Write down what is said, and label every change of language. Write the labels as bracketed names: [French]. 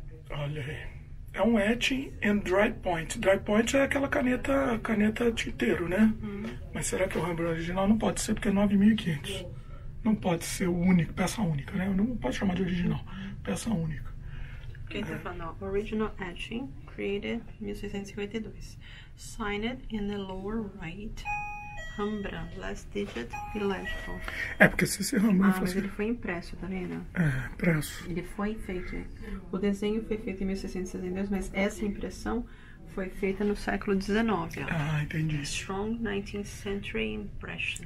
[Portuguese] Olha aí. É um etching and dry point. Dry point é aquela caneta tinteiro, né? Mas será que é o Rembrandt original? Não pode ser, porque é 9.500. Não pode ser o único, peça única, né? Não pode chamar de original, peça única. Quem tá falando? [English] Original etching, created 1652. Signed in the lower right, Rembrandt, last digit, illegible. [Portuguese] É, porque se esse Rembrandt fosse... Ah, mas ele foi impresso, tá vendo? É, impresso. Ele foi feito. O desenho foi feito em 1662, mas essa impressão foi feita no século XIX. Ah, entendi. [English] Strong 19th century impression.